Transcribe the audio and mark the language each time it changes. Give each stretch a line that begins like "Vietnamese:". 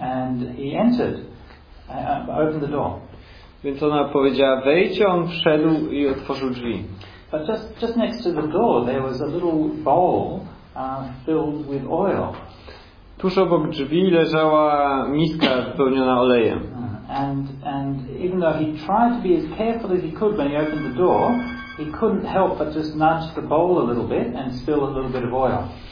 English: And he entered, opened the door.
Polish: Więc ona powiedziała, wejdź, on wszedł i otworzył drzwi.
English: But just next to the door there was a little bowl filled with oil.
Polish: Tuż obok drzwi leżała miska wypełniona olejem.
English: And even though he tried to be as careful as he could when he opened the door, he couldn't help but just nudge the bowl a little bit and spill a little bit of oil.